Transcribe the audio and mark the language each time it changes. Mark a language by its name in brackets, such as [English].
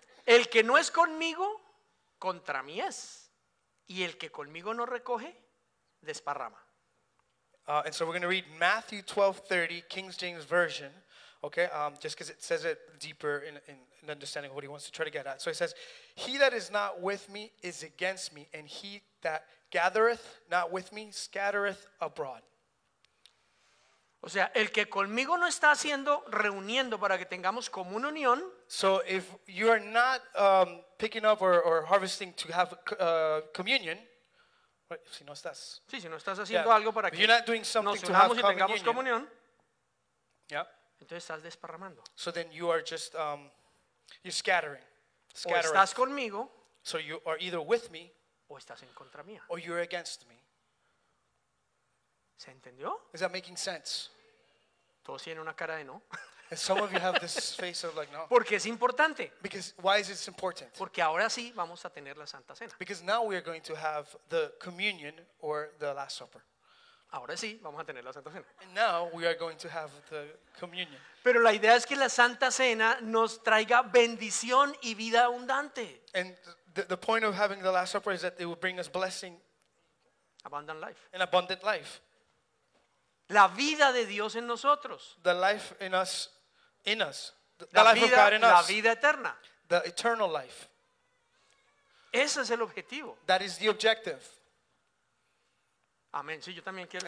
[Spanish] El que no es conmigo, contra mí es. Y el que conmigo no recoge, desparrama. [English] And so we're going to read Matthew 12:30, King James Version, okay, just because it says it deeper in understanding what he wants to try to get at. So it says, he that is not with me is against me, and he that gathereth not with me scattereth abroad. [Spanish] O sea, el que conmigo no está haciendo, reuniendo para que tengamos común unión. [English] So if you are not picking up or harvesting to have communion, [Spanish] si no estás, sí, si no estás haciendo algo para que nos unamos y tengamos comunión, [English] yeah. [Spanish] Entonces estás desparramando. [English] So then you are just you're scattering. [Spanish] O estás conmigo. [English] So you are either with me. [Spanish] O estás en contra mía. [English] Or you're against me. [Spanish] ¿Se entendió? [English] Is that making sense? [Spanish] Todos tienen una cara de no. [English] And some of you have this face of like, no. [Spanish] Porque es importante. [English] Because why is it important? [Spanish] Porque ahora sí vamos a tener la Santa Cena. [English] Because now we are going to have the communion or the Last Supper. [Spanish] Ahora sí vamos a tener la Santa Cena. [English] And now we are going to have the communion. [Spanish] Pero la idea es que la Santa Cena nos traiga bendición y vida abundante. [English] And the point of having the Last Supper is that it will bring us blessing. Abundant life. An abundant life. [Spanish] La vida de Dios en nosotros. [English] The life in us, in us. The life vida, of God in us. [Spanish] La vida eterna. [English] The eternal life. [Spanish] Ese es el objetivo. [English] That is the objective. [Spanish] Amén. Sí, yo también quiero.